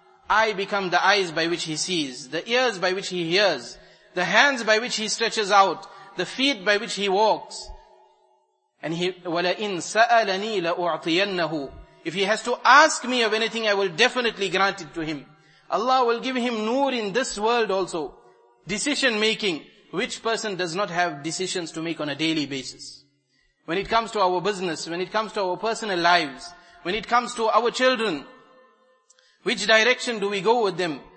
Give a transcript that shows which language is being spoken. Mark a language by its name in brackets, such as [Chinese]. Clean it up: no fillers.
[English] I become the eyes by which he sees, the ears by which he hears, the hands by which he stretches out, the feet by which he walks. And he, [Arabic] وَلَئِن سَأَلَنِي لَأُعْطِيَنَّهُ. [English] If he has to ask me of anything, I will definitely grant it to him. Allah will give him nur in this world also. Decision making. Which person does not have decisions to make on a daily basis? When it comes to our business, when it comes to our personal lives, when it comes to our children, which direction do we go with them?